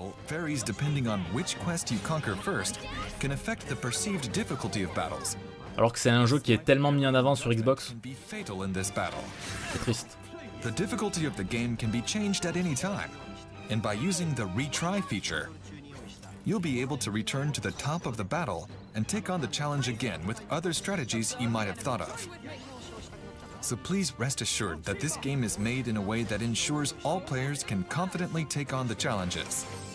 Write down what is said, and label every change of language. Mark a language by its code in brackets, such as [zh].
[en] Varies depending on which quest you conquer first can affect the perceived difficulty of battles. [fr] Alors que c'est un jeu qui est tellement mis en avant sur Xbox. C'est triste. [en] The difficulty of the game can be changed at any time. And by using the retry feature, you'll be able to return to the top of the battle and take on the challenge again with other strategies you might have thought of. So please rest assured that this game is made in a way that ensures all players can confidently take on the challenges.